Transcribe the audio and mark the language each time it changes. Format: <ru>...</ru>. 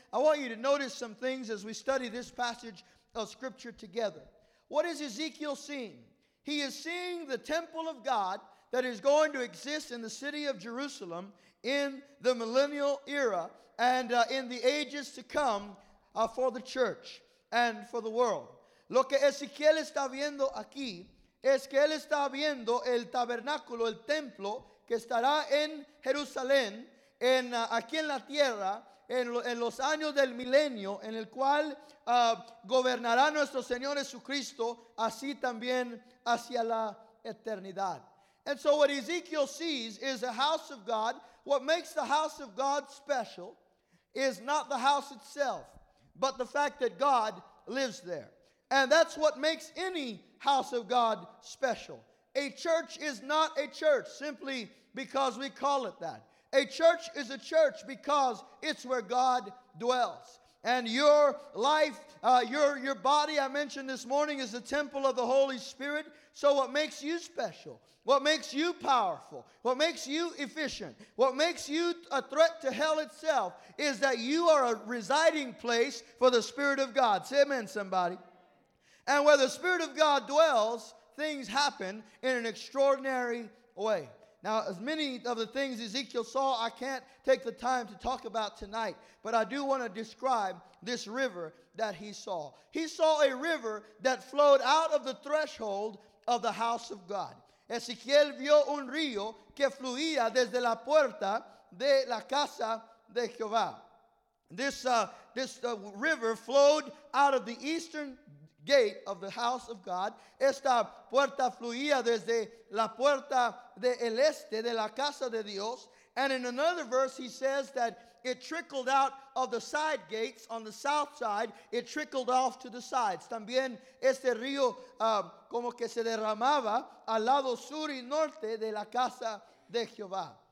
<en>I want you to notice some things as we study this passage of Scripture together. What is Ezekiel seeing? He is seeing the temple of God that is going to exist in the city of Jerusalem in the millennial era and in the ages to come for the church and for the world.</en> <es>Lo que Ezequiel está viendo aquí es que él está viendo el tabernáculo, el templo, que estará en Jerusalén, aquí en la tierra, en los años del milenio, en el cual gobernará nuestro Señor Jesucristo, así también hacia la eternidad.</es> <en>And so what Ezekiel sees is the house of God. What makes the house of God special is not the house itself, but the fact that God lives there. And that's what makes any house of God special. A church is not a church simply because we call it that. A church is a church because it's where God dwells. And your life, your body, I mentioned this morning, is the temple of the Holy Spirit. So what makes you special, what makes you powerful, what makes you efficient, what makes you a threat to hell itself is that you are a residing place for the Spirit of God. Say amen, somebody. And where the Spirit of God dwells, things happen in an extraordinary way. Now, as many of the things Ezekiel saw, I can't take the time to talk about tonight, but I do want to describe this river that he saw. He saw a river that flowed out of the threshold of the house of God.</en> <es>Ezequiel vio un río que fluía desde la puerta de la casa de Jehová.</es> <en>This river flowed out of the eastern gate of the house of God.</en> <es>Esta puerta fluía desde la puerta del este de la casa de Dios.</es> <en>And in another verse he says that it trickled out of the side gates on the south side. It trickled off to the sides.</en> <es>También este río como que se derramaba al lado sur y norte de la casa de Jehová.</es>